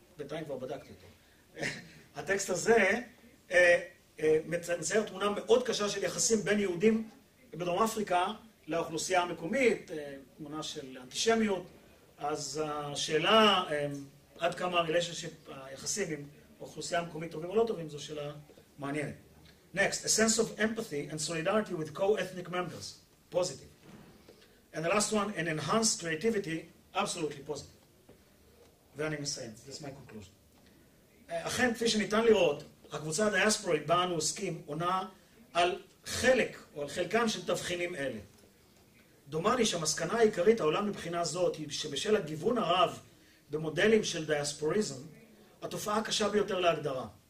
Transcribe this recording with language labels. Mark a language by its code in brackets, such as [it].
[he] בינתיים כבר בדקתי אותו. הטקסט הזה מצייר תמונה מאוד קשה של יחסים בין יהודים בדרום אפריקה לאוכלוסייה המקומית, תמונה של אנטישמיות. אז השאלה עד כמה הרלשנשיפ היחסים עם אוכלוסייה המקומית טובים או לא טובים, זו שאלה מעניינת. [en] Next, a sense of empathy and solidarity with co-ethnic members. Positive. And the last one, an enhanced creativity, absolutely positive. [he] ואני מסיים, [en] that's my conclusion. [he] אכן, כפי שניתן לראות, הקבוצה הדיאספורית בה אנו עוסקים עונה על חלק או על חלקם של תבחינים אלה. דומה לי שהמסקנה העיקרית העולם מבחינה זאת היא שבשל הגיוון הרב במודלים של דיאספוריזם, התופעה הקשה ביותר להגדרה.